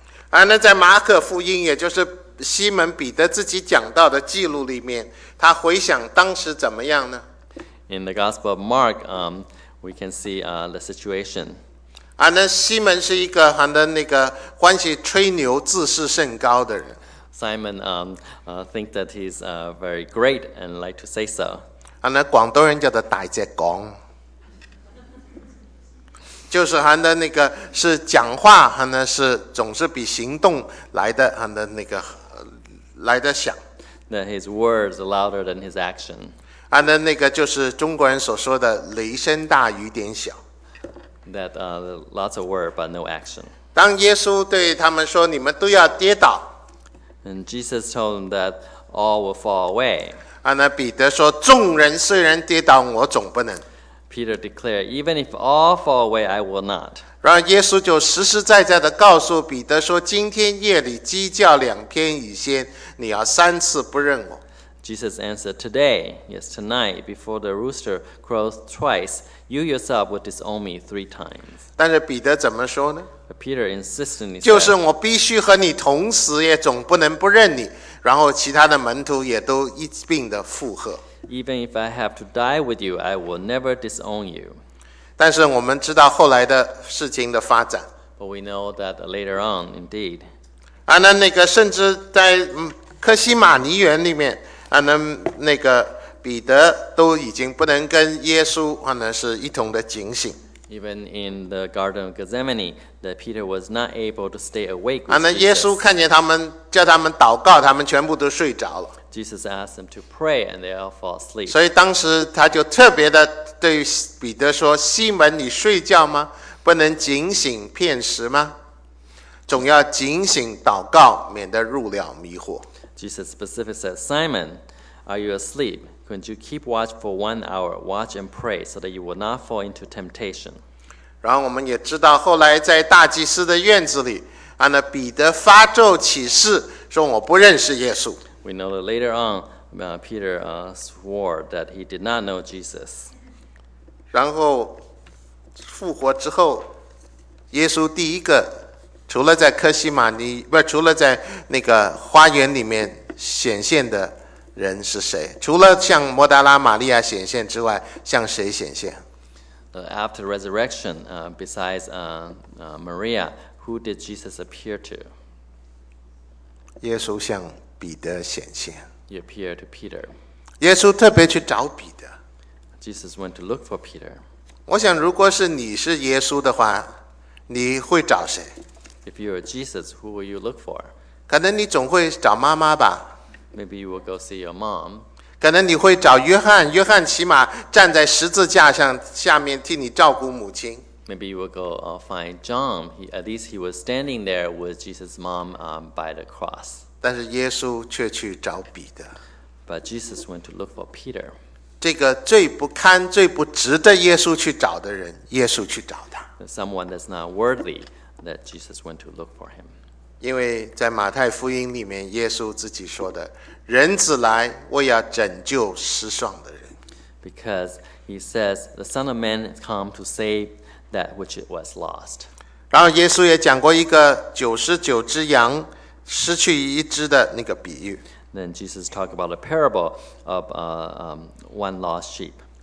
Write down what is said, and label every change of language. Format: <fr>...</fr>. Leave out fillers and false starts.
<zh>那在马可福音，也就是西门彼得自己讲到的记录里面，他回想当时怎么样呢</zh> <en>？In the Gospel of Mark, we can see the situation.</en> <zh>那西门是一个那个欢喜吹牛、自视甚高的人。</zh> <en>Simon think that he's very great and like to say so.</en> <zh>那广东人叫做大只讲，就是那个是讲话，是总是比行动来的那个。来得响</zh> <en>that his words are louder than his action.</en> <zh>那个就是中国人所说的雷声大雨点小</zh> <en>that lots of word but no action.</en> <zh>当耶稣对他们说你们都要跌倒</zh> <en>and Jesus told them that all will fall away.</en> <zh>那彼得说众人虽然跌倒我总不能</zh> <en>Peter declared, "Even if all fall away, I will not."</en> <zh>然而耶稣就实实在在地告诉彼得说，今天夜里鸡叫两天以前，你要三次不认我。</zh> <en>Jesus answered, "Today, yes, tonight, before the rooster crows twice, you yourself will disown me three times."</en> <zh>但是彼得怎么说呢？</zh> <en>But Peter insistently said,</en> <zh>就是我必须和你同死，也总不能不认你。然后其他的门徒也都一并的附和。</zh> <en>Even if I have to die with you, I will never disown you.</en> <zh>但是我们知道后来的事情的发展。</zh> <en>But we know that later on, indeed.</en> <zh>啊，那个甚至在科西马尼园里面。那个彼得都已经不能跟耶稣是一同的警醒。</zh> <en>Even in the Garden of Gethsemane, that Peter was not able to stay awake.</en> <zh>耶稣看见他们，叫他们祷告，他们全部都睡着了。</zh> <en>Jesus asked them to pray, and they all fall asleep.</en> <zh>所以当时他就特别的对彼得说：“西门，你睡觉吗？不能警醒片时吗？总要警醒祷告，免得入了迷惑。”</zh> <en>Jesus specifically said, "Simon, are you asleep? Couldn't you keep watch for 1 hour? Watch and pray so that you will not fall into temptation."</en> <zh>然后我们也知道，后来在大祭司的院子里，彼得发咒起誓，说我不认识耶稣。</zh> <en>We know that later on, Peter swore that he did not know Jesus.</en> <zh>然后复活之后，耶稣第一个。除了在科西马尼，不是除了在那个花园里面显现的人是谁？除了向摩达拉玛利亚显现之外，向谁显现</zh> <en>？After resurrection, besides Maria, who did Jesus appear to?</en> <zh>耶稣向彼得显现。</zh> <en>He appeared to Peter.</en> <zh>耶稣特别去找彼得。</zh> <en>Jesus went to look for Peter.</en> <zh>我想，如果是你是耶稣的话，你会找谁？</zh> <en>If you are Jesus, who will you look for?</en> <zh>可能你总会找妈妈吧。</zh> <en>Maybe you will go see your mom.</en> <zh>可能你会找约翰，约翰起码站在十字架上下面替你照顾母亲。</zh> <en>Maybe you will go find John. At least he was standing there with Jesus' mom by the cross.</en> <zh>但是耶稣却去找彼得。</zh> <en>But Jesus went to look for Peter.</en> <zh>这个最不堪、最不值得耶稣去找的人，耶稣去找他。</zh> <en>Someone that's not worthy. That Jesus went to look for him.</en> <zh>因为在马太福音里面，耶稣自己说的，人子来，为要拯救失丧的人。</zh> <en>Because he says, the Son of Man has come to save that which was lost.</en> <zh>然后耶稣也讲过一个99只羊失去一只的那个比喻。</zh> <en>Then Jesus talked about a parable of one lost sheep.</en>